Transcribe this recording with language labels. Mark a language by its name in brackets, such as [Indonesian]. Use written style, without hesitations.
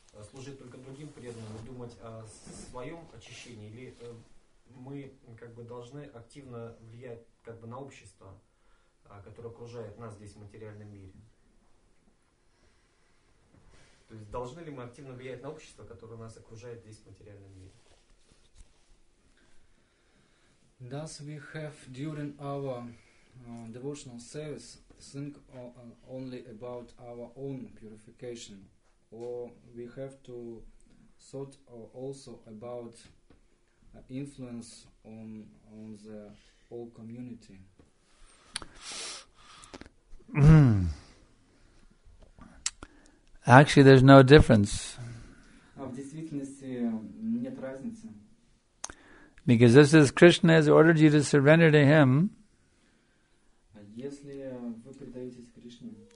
[Russian] Служить только другим преданным и думать о своем очищении, или мы как бы должны активно влиять как бы на общество, которое окружает нас здесь в материальном мире? То есть должны ли мы активно влиять на общество, которое нас окружает здесь в материальном мире? [English] Does we have during our devotional service think only about our own purification? Or we have to thought also about influence on the whole community. Actually, there's no difference. [Russian] В действительности нет разницы. [English] Because this is Krishna has ordered you to surrender to him. [Russian] Если вы предаетесь Кришне.